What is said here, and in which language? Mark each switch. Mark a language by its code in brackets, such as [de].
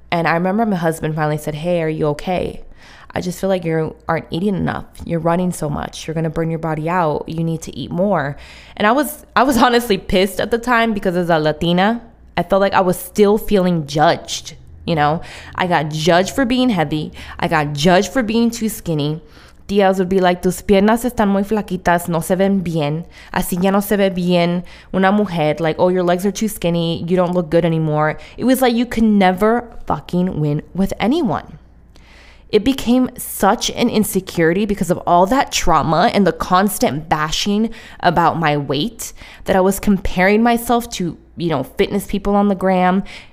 [en] And I remember my husband finally said, "Hey, are you okay? I just feel like you aren't eating enough. You're running so much. You're going to burn your body out. You need to eat more." And I was honestly pissed at the time because as a Latina, I felt like I was still feeling judged. You know, I got judged for being heavy. I got judged for being too skinny. [es] Tías [en] would be like, [es] "Tus piernas están muy flaquitas, no se ven bien. Así ya no se ve bien una mujer." [en] Like, "Oh, your legs are too skinny. You don't look good anymore." It was like you could never fucking win with anyone. It became such an insecurity because of all that trauma and the constant bashing about my weight that I was comparing myself to, you know, fitness people on the gram.